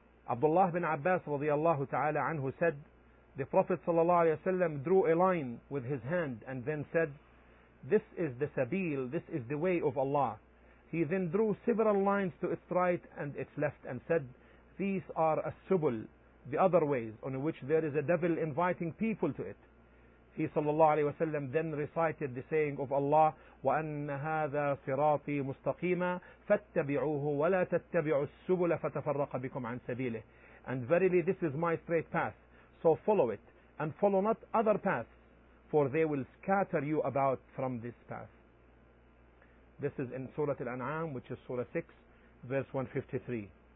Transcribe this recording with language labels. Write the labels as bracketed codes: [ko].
[en] Abdullah bin Abbas radiallahu ta'ala anhu said, the Prophet sallallahu alayhi wa sallam drew a line with his hand and then said, this is the sabil, this is the way of Allah. He then drew several lines to its right and its left and said, these are as-subul, the other ways on which there is a devil inviting people to it. He sallallahu alayhi wa sallam then recited the saying of Allah, [ar] وَأَنَّ هَذَا صِرَاطِي مُسْتَقِيمًا فَاتَّبِعُوهُ وَلَا تَتَّبِعُوا السُّبُلَ فَتَفَرَّقَ بِكُمْ عَنْ سَبِيلِهِ. [en] And verily this is my straight path, so follow it, and follow not other paths, for they will scatter you about from this path. This is in Surah Al-An'am, which is Surah 6, verse 153.